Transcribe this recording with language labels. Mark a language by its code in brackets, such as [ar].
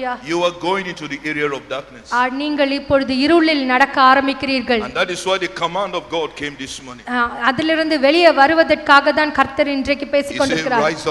[en] You are going into the area of darkness. [ta] ஆ நீங்கள் இப்பொழுது இருளில் நடக்க ஆரம்பிக்கிறீர்கள். [en] And that is why the command of God came this morning. [ta] அதிலிருந்து வெளியே வருவதற்காக தான் கர்த்தர் இன்றைக்கு பேசிக்கொண்டிருக்கிறார்.